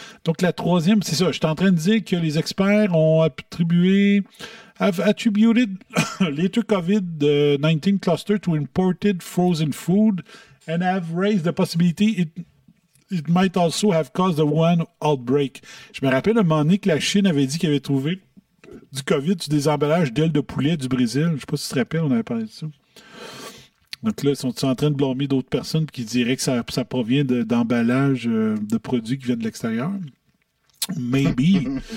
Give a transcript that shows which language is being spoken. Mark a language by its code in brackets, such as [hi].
[fr] Donc la troisième, c'est ça, je suis en train de dire que les experts ont attribué... [en] I've attributed later COVID-19 cluster to imported frozen food and have raised the possibility it might also have caused the Wuhan outbreak. [fr] Je me rappelle un moment donné que la Chine avait dit qu'elle avait trouvé du COVID sur des emballages d'ailes de poulet du Brésil. Je ne sais pas si tu te rappelles, on avait parlé de ça. Donc là, sont-ils en train de blâmer d'autres personnes qui diraient que ça provient d'emballages de produits qui viennent de l'extérieur? [en] Maybe.